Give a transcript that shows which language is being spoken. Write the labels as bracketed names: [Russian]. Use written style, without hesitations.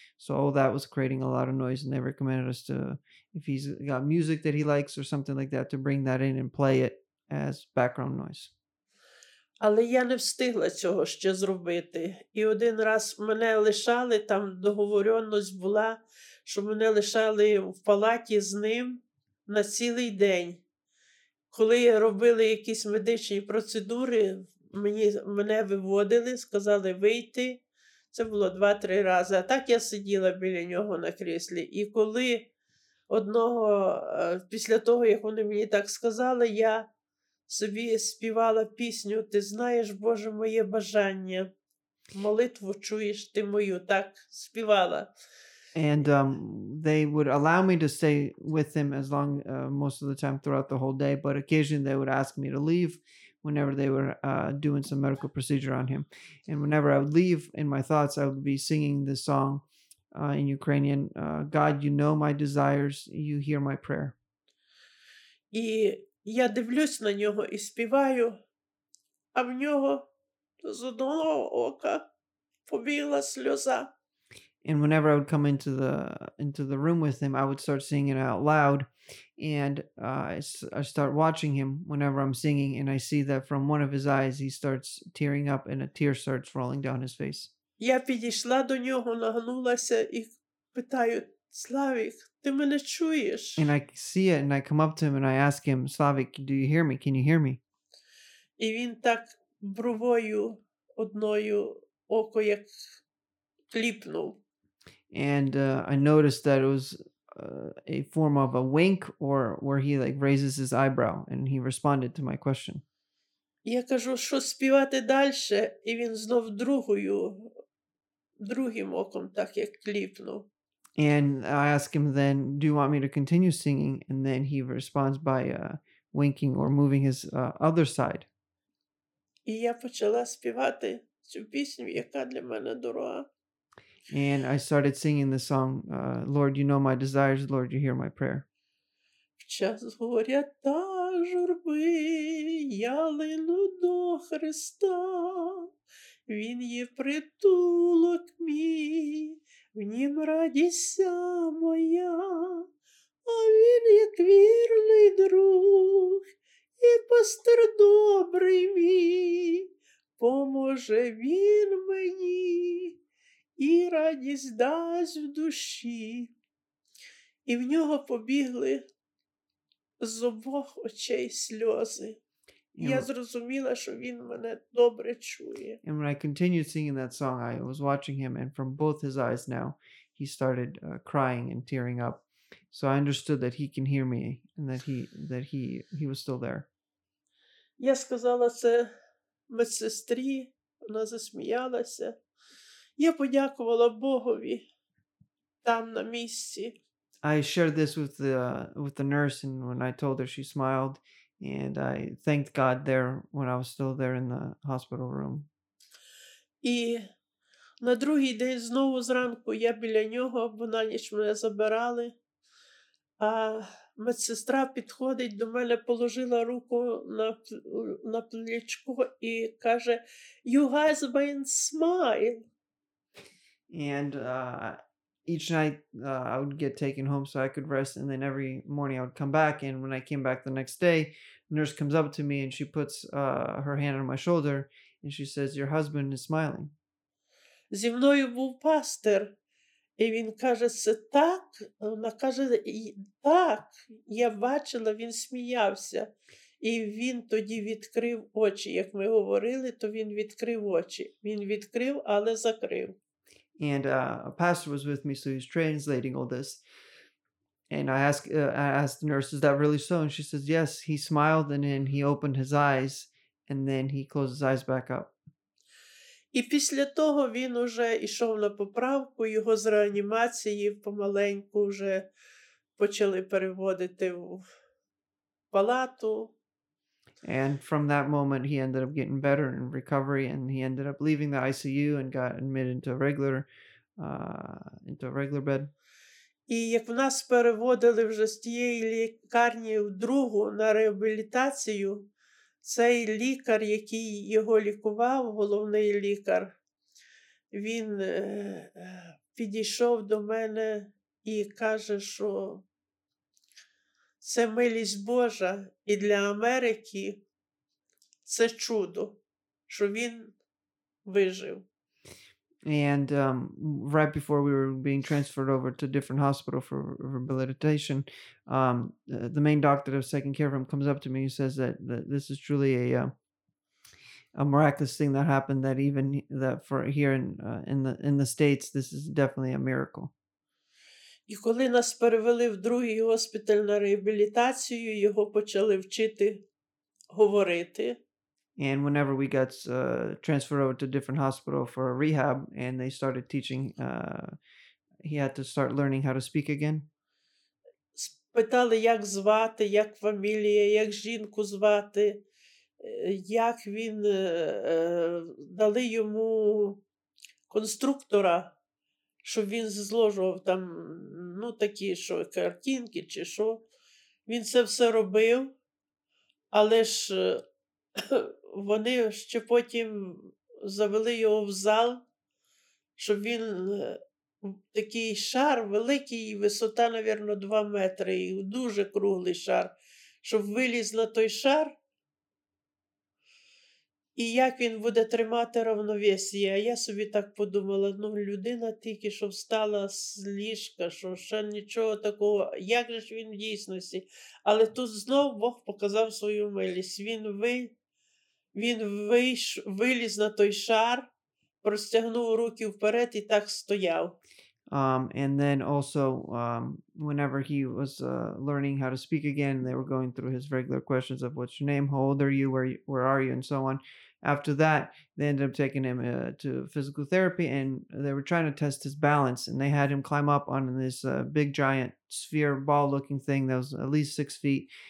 [English] So all that was creating a lot of noise, and they recommended us to, if he's got music that he likes or something like that, to bring that in and play it as background noise. [Ukrainian] Але я не встигла цього ще зробити. І один раз мене лишали, там договоренность була, що мене лишали в палаті з ним на цілий день. Коли робили якісь медичні процедури, мене виводили, сказали вийти. Це було 2-3 рази. А так я сиділа біля нього на кріслі. І коли одного, після того, як вони мені так сказали, я собі співала пісню «Ти знаєш, Боже, моє бажання, молитву чуєш ти мою», так співала. [English] And they would allow me to stay with them as long, most of the time throughout the whole day, but occasionally they would ask me to leave whenever they were doing some medical procedure on him. And whenever I would leave, in my thoughts, I would be singing this song in Ukrainian, God, you know my desires, you hear my prayer. [Ukrainian] І я дивлюсь на нього і співаю, а в нього з одного ока побігла сльоза. [English] And whenever I would come into the room with him, I would start singing out loud, and I start watching him whenever I'm singing, and I see that from one of his eyes, he starts tearing up and a tear starts rolling down his face. [Ukrainian] Я підійшла до нього, нагнулася і питаю, Славик, ти мене чуєш? [English] And I see it, and I come up to him, and I ask him, Славик, do you hear me? Can you hear me? [Ukrainian] І він так бровою одною око як кліпнув. [English] And I noticed that it was a form of a wink, or where he like raises his eyebrow, and he responded to my question. [Ukrainian] Я кажу, що співати далі? І він знов другою, другим оком так як кліпнув. [English] And I ask him then, do you want me to continue singing? And then he responds by winking or moving his other side. [Ukrainian] І я почала співати цю пісню, яка для мене дорога. [English] And I started singing the song, Lord, you know my desires, Lord, you hear my prayer. [Ukrainian] В час горя та журби я лину до Христа. Він є притулок мій, в нім радість моя. А він як вірний друг і пастир добрий мій. Поможе він мені і радість дасть в душі. І в нього побігли з обох очей сльози. Я зрозуміла, що він мене добре чує. [English] And when I continued singing that song, I was watching him, and from both his eyes now, he started crying and tearing up. So I understood that he can hear me, and that he was still there. [Ukrainian] Я сказала це медсестрі, вона засміялася. Я подякувала Богові там на місці. [English] I shared this with the nurse, and when I told her, she smiled, and I thanked God there when I was still there in the hospital room. [Ukrainian] І на другий день знову зранку я біля нього, бо на ніч мене забирали. А медсестра підходить до мене, положила руку на плечко і каже: [English] "You guys may smile." And each night I would get taken home so I could rest, and then every morning I would come back, and when I came back the next day, the nurse comes up to me and she puts her hand on my shoulder and she says, "Your husband is smiling." [Ukrainian] Зі мною був пастор, і він каже, це так? Вона каже, так, я бачила, він сміявся. І він тоді відкрив очі, як ми говорили, то він відкрив очі. Він відкрив, але закрив. [English] And a pastor was with me, so he's translating all this. And I asked the nurse, is that really so? And she says, yes, he smiled and then he opened his eyes and then he closed his eyes back up. [Ukrainian] І після того він уже йшов на поправку, його з реанімації помаленьку вже почали переводити в палату. [English] And from that moment, he ended up getting better in recovery, and he ended up leaving the ICU and got admitted into a regular bed. [Ukrainian] І як нас переводили вже з тієї лікарні в другу на реабілітацію, цей лікар, який його лікував, головний лікар, він підійшов до мене і каже, що це милість Божа, і для Америки це чудо. що він вижив. [English] And right before we were being transferred over to a different hospital for rehabilitation, the main doctor that was taking care of him comes up to me and says that this is truly a miraculous thing that happened, that even that for here in the States, this is definitely a miracle. [Ukrainian] І коли нас перевели в другий госпіталь на реабілітацію, його почали вчити говорити. [English] And whenever we got transferred over to a different hospital for a rehab, and they started teaching, he had to start learning how to speak again. [Ukrainian] Спитали, як звати, як фамілія, як жінку звати, як він дали йому конструктора, щоб він зложував там, ну, такі, що картинки чи що. Він це все робив, але ж вони ще потім завели його в зал, щоб він такий шар великий, висота, напевно, 2 метри, і дуже круглий шар, щоб виліз на той шар, і як він буде тримати рівновесі. А я собі так подумала, ну, людина тільки що встала з ліжка, що ще нічого такого, як же ж він в дійсності. Але тут знов Бог показав свою милість. Він виліз на той шар, простягнув руки вперед і так стояв. [English] And then also, whenever he was learning how to speak again, they were going through his regular questions of what's your name, how old are you, where are you, and so on. After that, they ended up taking him to physical therapy, and they were trying to test his balance, and they had him climb up on this big giant sphere ball-looking thing that was at least 6 feet.